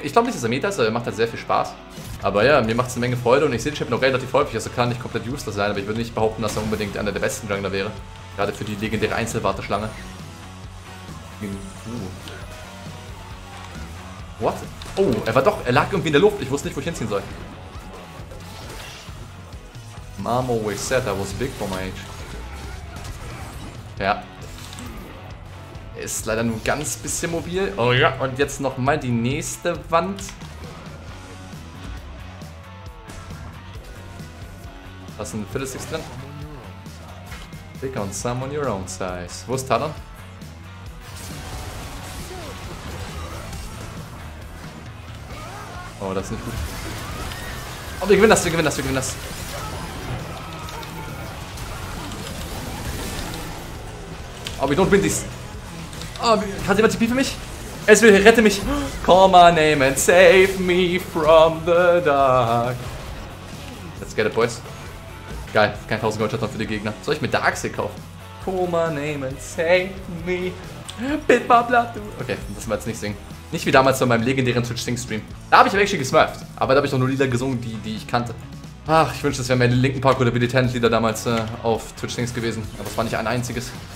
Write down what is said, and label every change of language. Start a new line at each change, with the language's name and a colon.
German: Ich glaube nicht, dass er Meta ist, aber er macht halt sehr viel Spaß. Aber ja, mir macht es eine Menge Freude und ich sehe den Champ noch relativ häufig. Also kann nicht komplett useless sein, aber ich würde nicht behaupten, dass er unbedingt einer der besten Jungler wäre. Gerade für die legendäre Einzelwarteschlange. What? Oh, er war doch. Er lag irgendwie in der Luft. Ich wusste nicht, wo ich hinziehen soll.
English: Mom always said I was big for my age.
German: Ja. Ist leider nur ein ganz bisschen mobil. Oh ja, und jetzt nochmal die nächste Wand. Was ist ein Fiddlesticks drin?
English: Pick on someone your own size.
German: Wo ist Talon? Oh, das ist nicht gut. Oh, wir gewinnen das, wir gewinnen das, wir gewinnen das. Oh,
English: we don't win this.
German: Oh, hat jemand TP für mich? Es will, rette mich.
English: Call my name and save me from the dark. Let's get it, boys.
German: Geil, kein 1000 Gold Shutdown für die Gegner. Soll ich mir Darkseid kaufen?
English: Call my name and save me. Bit my blood.
German: Okay, das müssen wir jetzt nicht singen. Nicht wie damals bei meinem legendären Twitch-Sing-Stream. Da habe ich aber echt gesmurft. Aber da habe ich auch nur Lieder gesungen, die ich kannte. Ach, ich wünschte, das wären meine linken Park- oder Billy-Tennis-Lieder damals auf Twitch-Sings gewesen. Aber es war nicht ein einziges.